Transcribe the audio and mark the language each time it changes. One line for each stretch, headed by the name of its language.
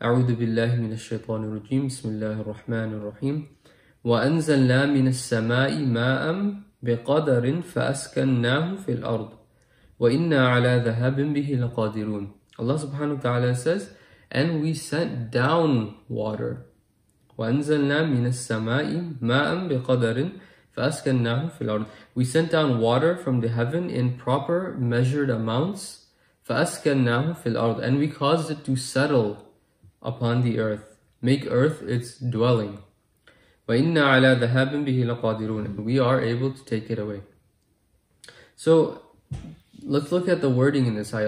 Arabic: أعوذ بالله من الشيطان الرجيم بسم الله الرحمن الرحيم وأنزلنا من السماء ماء بقدر فأسكنناه في الأرض وإنا على ذهاب به لقادرون.
English: Allah subhanahu wa ta'ala says, and we sent down water.
Arabic: وأنزلنا من السماء ماء بقدر فَأَسْكَنَّهُ فِي الْأَرْضِ.
English: We sent down water from the heaven in proper measured amounts.
Arabic: فَأَسْكَنَّهُ فِي الْأَرْضِ.
English: And we caused it to settle upon the earth, make earth its dwelling.
Arabic: وَإِنَّا عَلَى ذَهَابٍ بِهِ لَقَادِرُونَ.
English: We are able to take it away. So let's look at the wording in this ayah.